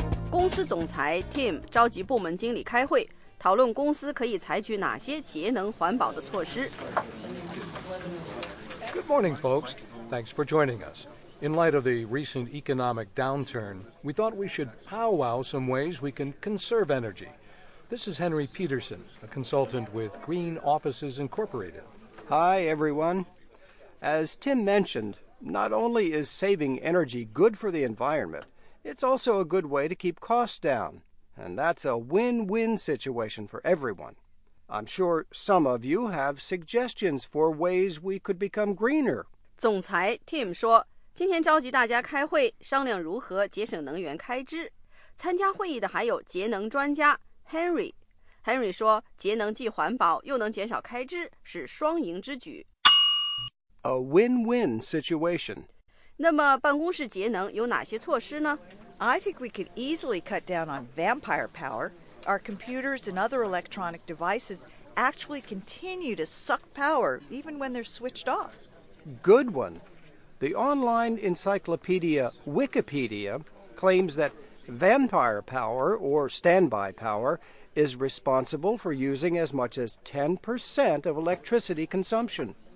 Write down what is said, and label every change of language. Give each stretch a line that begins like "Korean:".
Chinese: 公司总裁 Tim 召集部门经理开会，讨论公司可以采取哪些节能环保的措施。
English: Good morning, folks. Thanks for joining us. In light of the recent economic downturn, we thought we should powwow some ways we can conserve energy. This is Henry Peterson, a consultant with Green Offices Incorporated. Hi, everyone. As Tim mentioned, not only is saving energy good for the environment, it's also a good way to keep costs down. And that's a win-win situation for everyone. I'm sure some of you have suggestions for ways we could become greener.
Chinese: 总裁 Tim 说，今天召集大家开会，商量如何节省能源开支。参加会议的还有节能专家 Henry。Henry 说，节能既环保又能减少开支，是双赢之举。
English: A win-win situation.
Chinese: 那么办公室节能有哪些措施呢？
English: I think we could easily cut down on vampire power. Our computers and other electronic devices actually continue to suck power even when they're switched off. Good one. The online encyclopedia Wikipedia claims that vampire power, or standby power, is responsible for using as much as 10% of electricity consumption.